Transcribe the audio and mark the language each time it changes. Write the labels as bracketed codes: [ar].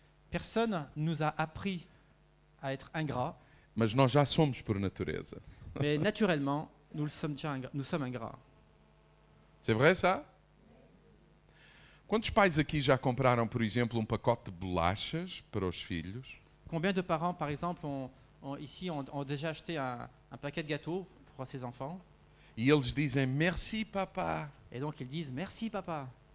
[fr] Personne nous a appris à être ingrat. [pt] Mas nós já somos por natureza. [fr] Mais naturellement, nous sommes ingrats. C'est vrai ça? [pt] Quantos pais aqui já compraram, por exemplo, um pacote de bolachas para os filhos? [fr] Combien de parents, par exemple, ont déjà acheté un paquet de gâteaux pour ses enfants? [pt] E eles dizem [fr] merci papa. Et donc ils disent merci papa.